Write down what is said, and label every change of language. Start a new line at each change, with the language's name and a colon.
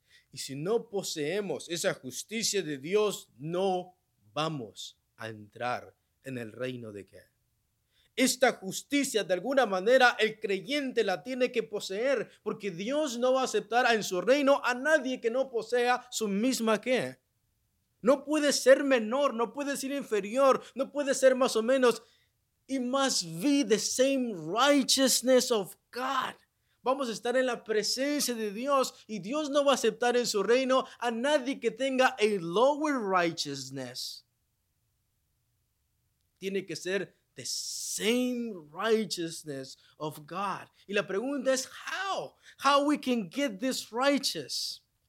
Spanish: Y si no poseemos esa justicia de Dios, no vamos a entrar en el reino de qué. Esta justicia, de alguna manera, el creyente la tiene que poseer, porque Dios no va a aceptar en su reino a nadie que no posea su misma qué. No puede ser menor, no puede ser inferior, no puede ser más o menos.
English: It must be the same righteousness of God.
Spanish: Vamos a estar en la presencia de Dios y Dios no va a aceptar en su reino a nadie que tenga
English: a lower righteousness.
Spanish: Tiene que ser
English: the same righteousness of God.
Spanish: Y la pregunta es,
English: how? How we can get this righteous?